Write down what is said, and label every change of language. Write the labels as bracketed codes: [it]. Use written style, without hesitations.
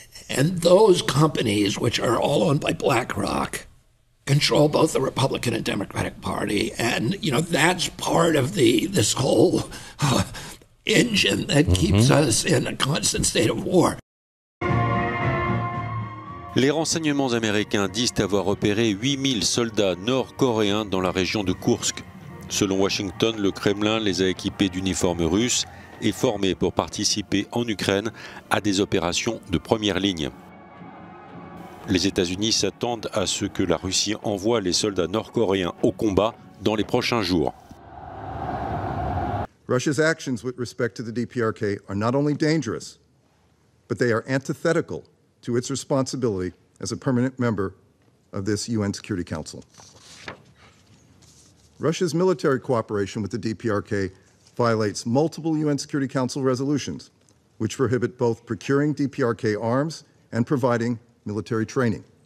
[en] And those companies, which are all owned by BlackRock, control both the Republican and Democratic Party. And, you know, that's part of the this whole engine that keeps us in a constant state of war. [fr] Les renseignements américains disent avoir repéré 8000 soldats nord-coréens dans la région de Koursk. Selon Washington, le Kremlin les a équipés d'uniformes russes et formés pour participer en Ukraine à des opérations de première ligne. Les États-Unis s'attendent à ce que la Russie envoie les soldats nord-coréens au combat dans les prochains jours. [en] Russia's actions with respect to the DPRK are not only dangerous, but they are antithetical to its responsibility as a permanent member of this UN Security Council. Russia's military cooperation with the DPRK violates multiple UN Security Council resolutions, which prohibit both procuring DPRK arms and providing military training.